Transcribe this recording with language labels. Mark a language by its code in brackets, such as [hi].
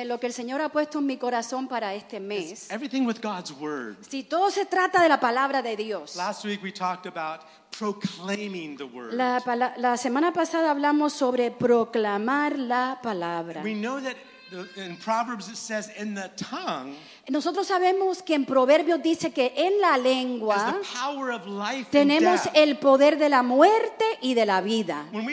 [es] Lo que el Señor ha puesto en mi corazón para este mes. [en] Everything with God's word. [es] Si todo se trata de la palabra de Dios. [en] Last week we talked about proclaiming the word. [es] La semana pasada hablamos sobre proclamar la palabra. [en] We know that in Proverbs it says in the tongue. [es] Nosotros sabemos que en Proverbios dice que en la lengua tenemos el poder de la muerte y de la vida.